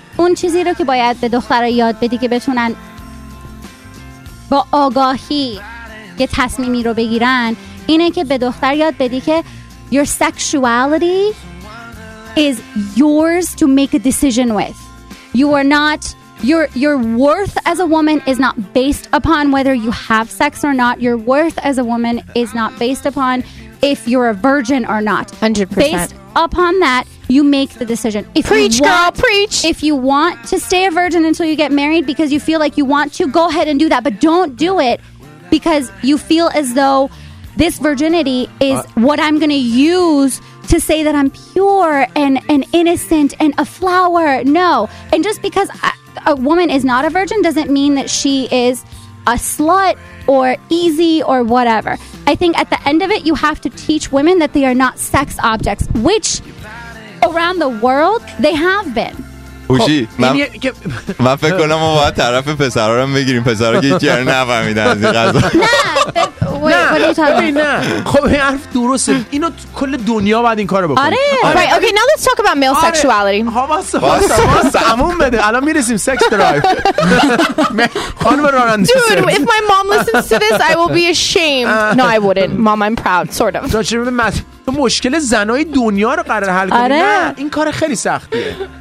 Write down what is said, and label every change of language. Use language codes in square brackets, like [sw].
[fa] اون چیزی رو که باید به دخترها یاد بدی که بتونن با آگاهی یه تصمیمی رو بگیرن اینه که به دختر یاد بدی که [en] your sexuality is yours to make a decision with. You are not Your worth as a woman is not based upon whether you have sex or not. Your worth as a woman is not based upon if you're a virgin or not. 100%. Based upon that, you make the decision. If you want to stay a virgin until you get married because you feel like you want to, go ahead and do that. But don't do it because you feel as though this virginity is what I'm going to use to say that I'm pure and innocent and a flower. No. And just because a woman is not a virgin doesn't mean that she is a slut or easy or whatever. I think at the end of it, you have to teach women that they are not sex objects, which around the world they have been. [fa] خوشی من فکر کنم ما باید طرف پسرها رو بگیریم، پسرها که هیچی نفهمیدن از این قضا. نه خب این حرف درسته، اینو کل دنیا باید این کار رو بکنی. آره [en] right, okay, now let's talk about male sexuality. [fa] باسته امون بده الان میرسیم سیکس درایف خانم راننده. [en] Dude, if my mom listens to this I will be ashamed. No I wouldn't. Mom I'm proud sort of. Don't you remember [fa] تو مشکل زنای دنیا رو قرار حل کنی؟ آره. نه این کار خیلی سختیه.